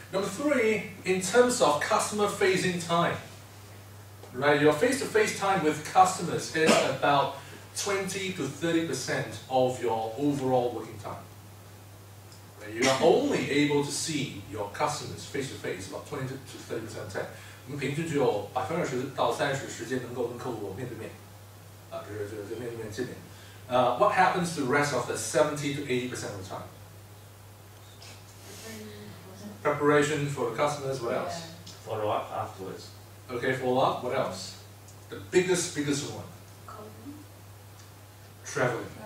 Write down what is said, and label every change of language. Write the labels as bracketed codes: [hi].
[en] Number three, in terms of customer-facing time, right? Your face-to-face time with customers is about 20 to 30% of your overall working time. You are only able to see your customers face to face about 20 to 30% of the time. [zh] 平均只有百分之十到三十时间能够跟客户面对面，就面对面见面。 [en] What happens to the rest of the 70 to 80% of the time? Preparation for the customers, what else? Yeah. Follow up afterwards. Okay, follow up, what else? The biggest one? Traveling.